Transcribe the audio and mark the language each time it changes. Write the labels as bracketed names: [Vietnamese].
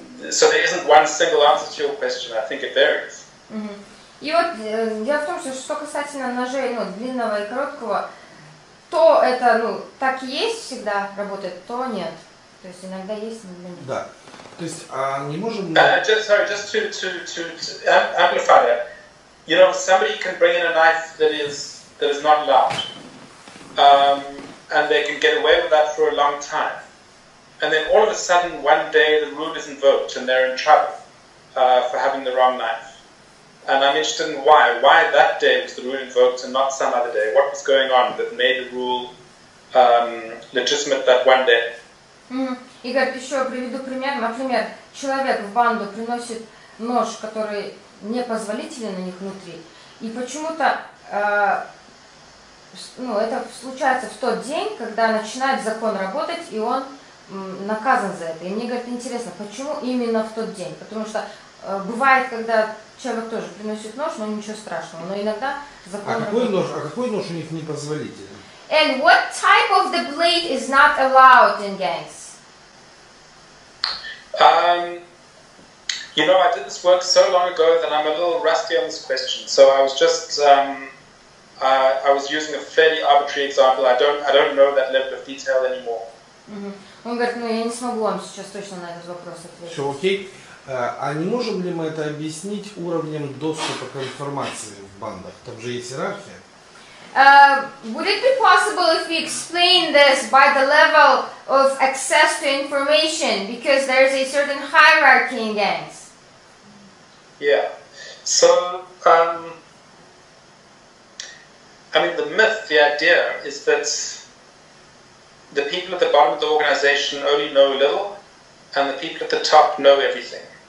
[English] So there isn't one single answer to your question, I think it varies. Mm-hmm. [Russian] И вот дело в том, что касательно ножей, ну, длинного и короткого, то это, ну, так и есть всегда работает, то нет. То есть иногда есть, иногда нет. Да. То есть, а не можем... [English] amplify that. You know, somebody can bring in a knife that is not allowed, and they can get away with that for a long time. And then all of a sudden, one day, the rule is invoked, and they're in trouble for having the wrong knife. And I'm interested in why. Why that day was the rule invoked and not some other day? What was going on that made the rule legitimate that one day? [Russian] Игорь, еще приведу пример. Например, человек в банду приносит нож, который непозволительно на них внутри, и почему-то ну, это случается в тот день, когда начинает закон работать, и он наказан за это. И мне, говорит, интересно, почему именно в тот день? Потому что бывает, когда человек тоже приносит нож, но ничего страшного, но иногда закон работает. А какой нож у них непозволительный? [English] And what type of the blade is not allowed in gangs? You know, I did this work so long ago that I'm a little rusty on this question. So I was just, I was using a fairly arbitrary example. I don't know that level of detail anymore. Mm-hmm. [Russian] Он говорит, ну я не смогу вам сейчас точно на этот вопрос ответить. Все окей. А не можем ли мы это объяснить уровнем доступа к информации в бандах? Там же есть иерархия. [English] Would it be possible if we explain this by the level of access to information, because there is a certain hierarchy in gangs? Yeah. So, I mean, the myth, the idea, is that the people at the bottom of the organization only know a little, and the people at the top know everything.